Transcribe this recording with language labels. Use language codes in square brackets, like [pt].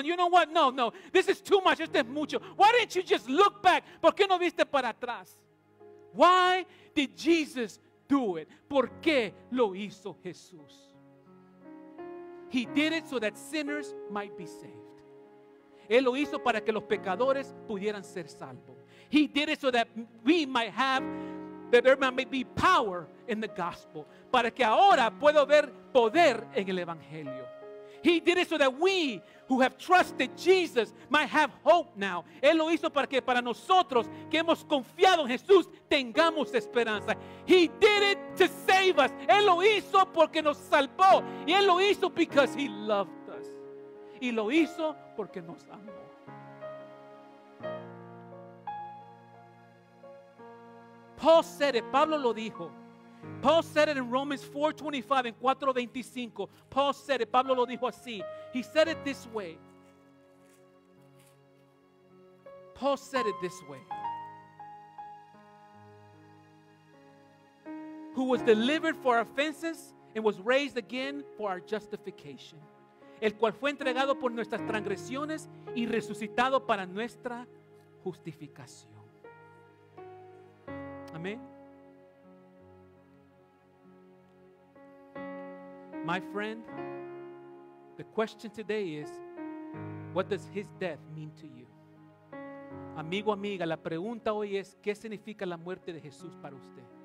[en] You know what? No, no. This is too much. [es] Esto es mucho. [en] Why didn't you just look back? [es] ¿Por qué no viste para atrás? [en] Why did Jesus do it? [es] ¿Por qué lo hizo Jesús? [en] He did it so that sinners might be saved. [es] Él lo hizo para que los pecadores pudieran ser salvos. [en] He did it so that we might have, that there might be power in the gospel. [es] Para que ahora puedo ver poder en el evangelio. [en] He did it so that we who have trusted Jesus might have hope now. [es] Él lo hizo para que para nosotros que hemos confiado en Jesús tengamos esperanza. [en] He did it to save us. [es] Él lo hizo porque nos salvó. Y Él lo hizo [en] because He loved us. [es] Y lo hizo porque nos amó. [en] Paul said it. [es] Pablo lo dijo. [en] Paul said it in Romans 4:25 and 4:25. Paul said it. [es] Pablo lo dijo así. [en] He said it this way. Paul said it this way. Who was delivered for our offenses and was raised again for our justification. [es] El cual fue entregado por nuestras transgresiones y resucitado para nuestra justificación. Amén. [en] My friend, the question today is, what does his death mean to you? [es] Amigo, amiga, la pregunta hoy es, ¿qué significa la muerte de Jesús para usted?